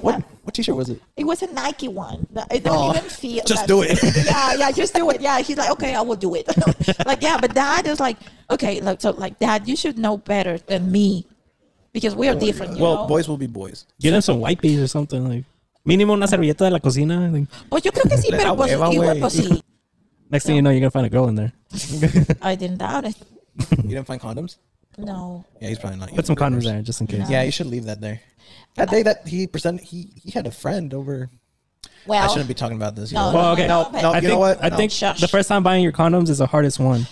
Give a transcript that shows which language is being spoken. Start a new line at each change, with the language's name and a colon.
English: What t-shirt was it? It was a Nike one. It don't even feel. Just do it. Yeah, just do it. Yeah, he's like, okay, I will do it. Like, yeah, but dad is like, okay, look, so like, dad, you should know better than me because we are different. You well, know? Boys will be boys. Get him some wipes or something. Like, minimum
Spanish: una servilleta de la cocina. Pues yo creo que sí, pero pues igual pues sí.
English: Next thing you know, you're going to find a girl in there. I didn't doubt it. You didn't find condoms? No. Yeah, he's probably not. Put some condoms there just in case. Yeah, you should leave that there. That day that he presented, he had a friend over. Well, I shouldn't be talking about this. No, well, okay. No, you know what? I think the first time buying your condoms is the hardest one.